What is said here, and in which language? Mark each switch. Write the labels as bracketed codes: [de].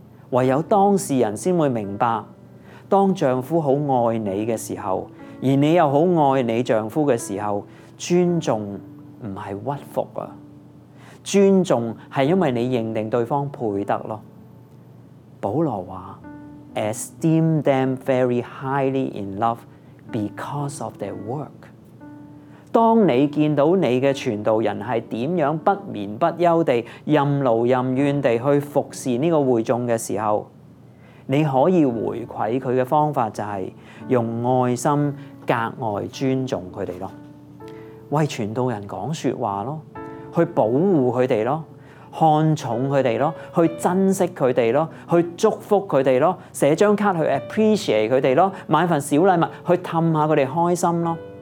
[zh] 唯有當事人才會明白，當丈夫很愛你的時候，而你又很愛你丈夫的時候，尊重不是屈服啊，尊重是因為你認定對方配得咯。保羅說 [en] Esteem them very highly in love because of their work。 [zh] 當你見到你的傳道人是怎樣不眠不休地任勞任怨地去服侍這個會眾的時候，你可以回饋他的方法就是用愛心格外尊重他們咯，為傳道人講說話咯，去保護他們咯，看重他們咯，去珍惜他們咯，去祝福他們咯，寫張卡去 appreciate 他們咯，買份小禮物去哄一下他們開心咯。